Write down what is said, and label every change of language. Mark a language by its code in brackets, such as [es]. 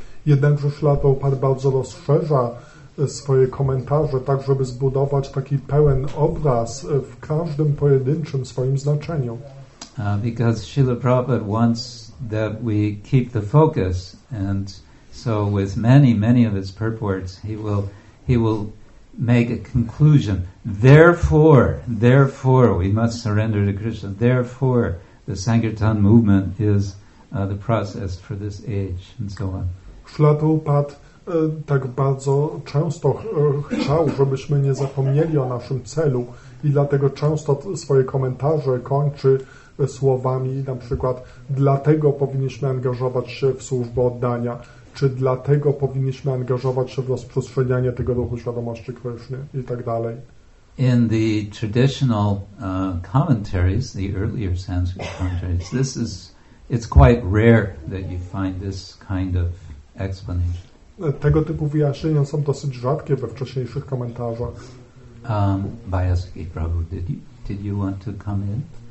[pl] Jednakże Śrila Prabhupada bardzo rozszerza swoje komentarze, tak żeby zbudować taki pełen obraz w każdym pojedynczym swoim znaczeniu. [en] Because Śrila Prabhupada wants that we keep the focus, and so with many, many of his purports, he will make a conclusion. Therefore, we must surrender to Krishna. Therefore, the Sankirtan movement is the process for this age, and so on. [pl] Śrila Prabhupada tak bardzo często chciał, żebyśmy nie zapomnieli o naszym celu, i dlatego często swoje komentarze kończy słowami, na przykład dlatego powinniśmy angażować się w służbę oddania, czy dlatego powinniśmy angażować się w rozprzestrzenianie tego duchu świadomości Kryszny i tak dalej. [en] In the traditional commentaries, the earlier Sanskrit commentaries, it's quite rare that you find this kind of explanation. [pl] Tego typu wyjaśnienia są dosyć rzadkie we wcześniejszych komentarzach. [en] Vyasaki Prabhu, did you want to come in?